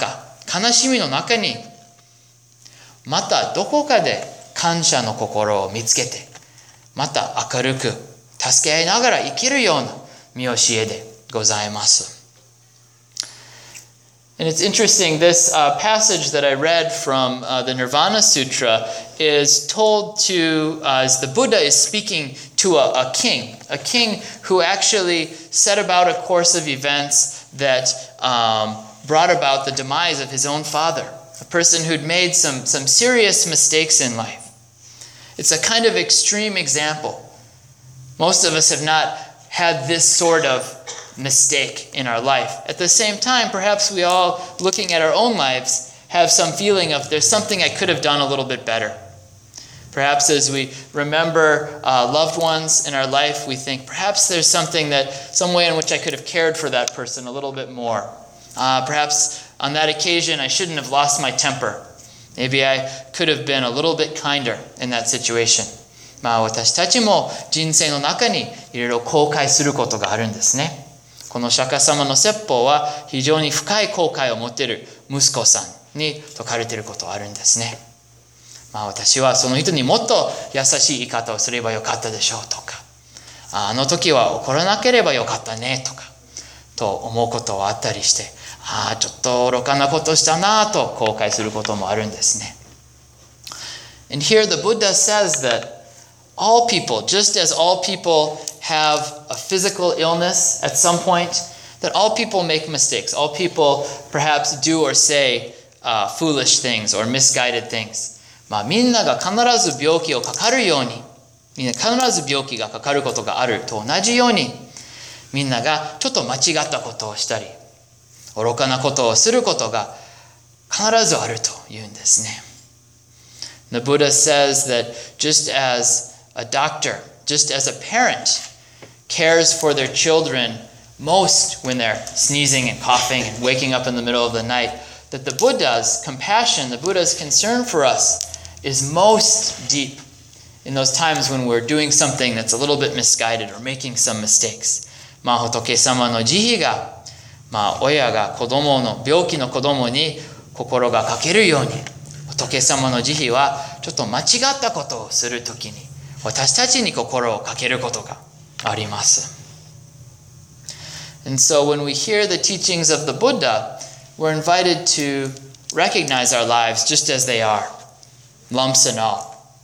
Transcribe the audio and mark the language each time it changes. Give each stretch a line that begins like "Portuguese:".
Japanese: して、まあ、釈迦様の仏様の御教えは、私たちは必ず何か病気、必ず不都合のことに遭うことがあるので、その不都合な病気、まあ、痛みの中、悲しみの中に、またどこかで感謝の心を見つけて、また明るく助け合いながら生きるような御教えでございます。
English: And it's interesting, this passage that I read from the Nirvana Sutra is told to, as the Buddha is speaking to a king who actually set about a course of events that brought about the demise of his own father, a person who'd made some serious mistakes in life. It's a kind of extreme example. Most of us have not had this sort of mistake in our life. At the same time, perhaps we all, looking at our own lives, have some feeling of there's something I could have done a little bit better. Perhaps as we remember loved ones in our life, we think perhaps there's something that, some way in which I could have cared for that person a little bit more. Perhaps on that occasion I shouldn't have lost my temper. Maybe I could have been a little bit kinder in that situation.
Japanese: まあ私たちも人生の中にいろいろ後悔することがあるんですね。この釈迦様の説法は非常に深い後悔を持っている息子さんに説かれていることがあるんですね。まあ私はその人にもっと優しい言い方をすればよかったでしょうとか、あの時は怒らなければよかったねとか、と思うことはあったりして、ああ、ちょっと愚かなことしたなと後悔することもあるんですね。
English: And here the Buddha says that all people, just as all people have a physical illness at some point, that all people make mistakes. All people perhaps do or say foolish things or misguided things.
Japanese: まあみんなが必ず病気をかかるように、みんな必ず病気がかかることがあると同じように、みんながちょっと間違ったことをしたり、愚かなことをすることが必ずあるというんですね。
English: The Buddha says that just as a doctor, just as a parent, cares for their children most when they're sneezing and coughing and waking up in the middle of the night, that the Buddha's compassion, the Buddha's concern for us is most deep in those times when we're doing something that's a little bit misguided or making some mistakes.
Japanese: まあ仏様の慈悲が、まあ親が子供の病気の子供に心がかけるように、仏様の慈悲はちょっと間違ったことをするときに、私たちに心をかけることがあります。
English: And so when we hear the teachings of the Buddha, we're invited to recognize our lives just as they are, lumps and all.